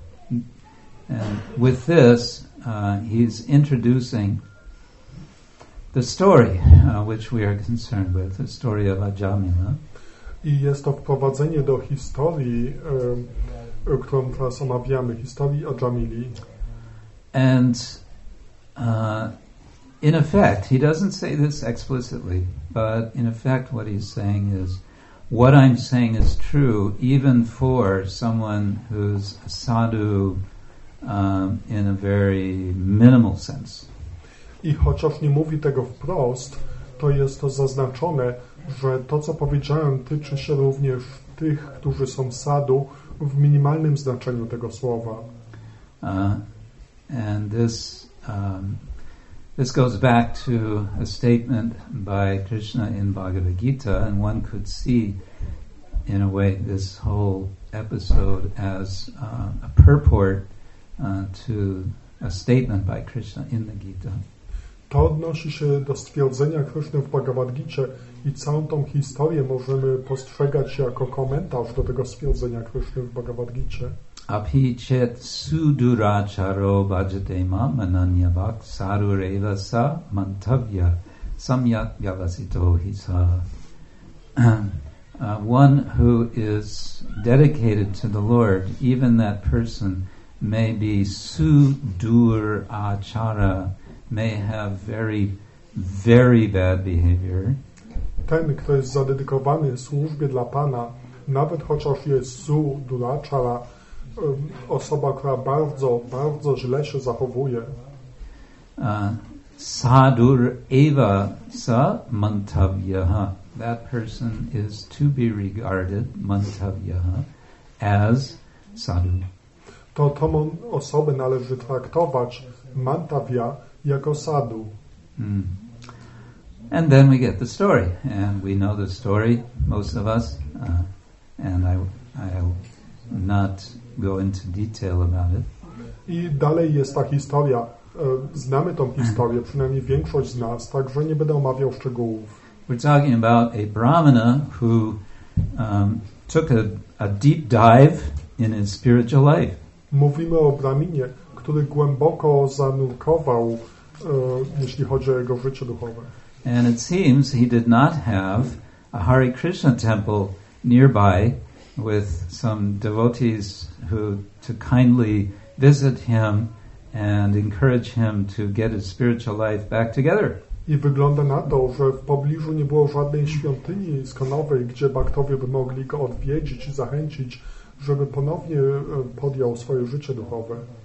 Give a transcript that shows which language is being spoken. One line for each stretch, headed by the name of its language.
English: And with this, he's introducing the story which we are concerned with, the story of Ajamila.
Polish: I jest to wprowadzenie do historii, którą teraz omawiamy, historii Ajamili.
English: And in effect, he doesn't say this explicitly, but in effect what he's saying is, what I'm saying is true even for someone who's a sadhu in a very minimal sense.
Polish: I chociaż nie mówi tego wprost, to jest to zaznaczone, że to, co powiedziałem, tyczy się również tych, którzy są sadhu, w minimalnym znaczeniu tego słowa.
English: And this this goes back to a statement by Krishna in Bhagavad Gita, and one could see in a way, this whole episode as a purport to a statement by Krishna in the Gita.
Polish: To odnosi się do stwierdzenia Krishna w Bhagavad Gita i całą tą historię możemy postrzegać jako komentarz do tego stwierdzenia Krishna w Bhagavad Gita.
Sanskrit: Abhi chet suduracharo bhajate mam ananyavak sarureva sa mantavya samyat yavasito hisa.
English: One who is dedicated to the Lord, even that person may be sudur achara, may have very, very bad behavior.
Polish: Ten, kto jest zadedykowany służbie dla Pana, nawet chociaż jest sudur achara, osoba, która bardzo, bardzo źle się zachowuje.
Sanskrit: Sadur eva sa mantavyaha.
English: That person is to be regarded, mantavyaha, as sadhu.
Polish: To tą osobę należy traktować, mantavya, jako sadhu.
English: And then we get the story. And we know the story, most of us. And I'll not go into detail about it.
Polish: I dalej jest ta historia. Znamy tą historię, przynajmniej większość z nas, także nie będę omawiał szczegółów.
English: We're talking about a brahmana who took a deep dive in his spiritual life.
Polish: Mówimy o brahminie, który głęboko zanurkował, jeśli chodzi o jego życie duchowe.
English: And it seems he did not have a Hare Krishna temple nearby with some devotees who to kindly visit him and encourage him to get his spiritual life back together.
Polish: I wygląda na to, że w pobliżu nie było żadnej świątyni skonowej, gdzie baktowie by mogli go odwiedzić i zachęcić, żeby ponownie podjął swoje życie duchowe.